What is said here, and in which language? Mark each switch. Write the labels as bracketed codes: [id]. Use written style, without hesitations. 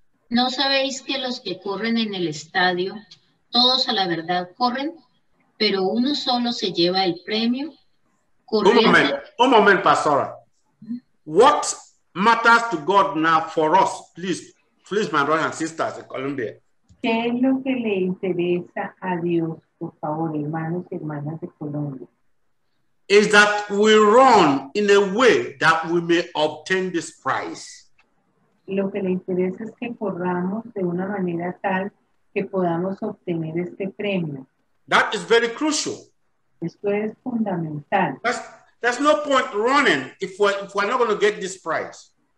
[es] No sabéis que los que corren en el estadio, todos a la verdad corren, pero uno solo se lleva el premio. Un momento, pastora. [en] What matters to God now for us, please, my brothers and sisters in Colombia. [es] ¿Qué es lo que le interesa a Dios, por favor, hermanos y hermanas de Colombia? [en] Is that we run in a way that we may obtain this prize. [es] Lo que le interesa es que corramos de una manera tal que podamos obtener este premio. [en] That is very crucial. [es] Esto es fundamental. [en] There's no point running if we're not going to get this prize.